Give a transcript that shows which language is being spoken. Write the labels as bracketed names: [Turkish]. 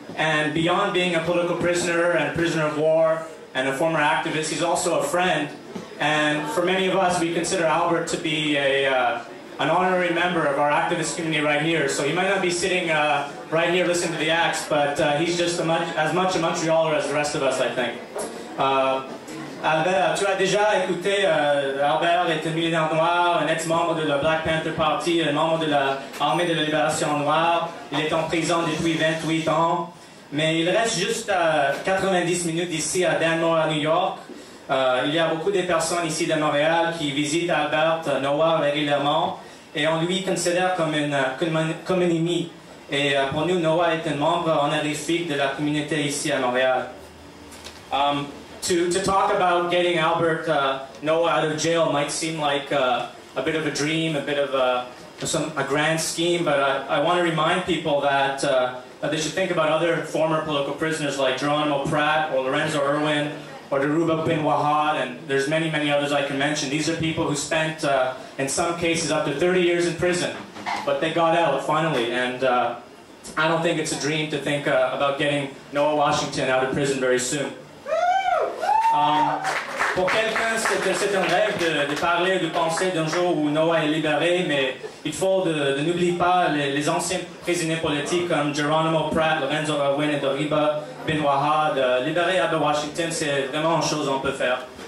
[English] And beyond being a political prisoner and a prisoner of war and a former activist, he's also a friend. And for many of us, we consider Albert to be an honorary member of our activist community right here. So he might not be sitting right here listening to the acts, but he's just as much a Montrealer as the rest of us, I think. [French] Albert, tu as déjà écouté, Albert est un militant noir, un ex-membre de la Black Panther Party, un membre de l'Armée de la Libération Noire. Il est en prison depuis 28 ans, mais il reste juste 90 minutes d'ici à Danmore, à New York. Il y a beaucoup de personnes ici de Montréal qui visitent Albert Noah régulièrement et on lui considère comme un ami. Et pour nous, Noah est un membre honorifique de la communauté ici à Montréal. [English] To talk about getting Albert Noah out of jail might seem like a bit of a dream, a bit of a grand scheme, but I want to remind people that they should think about other former political prisoners like Geronimo Pratt or Lorenzo Irwin, or Daruba Bin Wahad, and there's many, many others I can mention. These are people who spent, in some cases, up to 30 years in prison, but they got out, finally, and I don't think it's a dream to think about getting Noah Washington out of prison very soon. [French] Pour quelqu'un, c'est un rêve de parler, de penser d'un jour où Noah est libéré, mais il faut de n'oublier pas les anciens prisonniers politiques comme Geronimo Pratt, Lorenzo Irwin et Daruba Bin Wahad. Libérer Albert Washington, c'est vraiment une chose qu'on peut faire.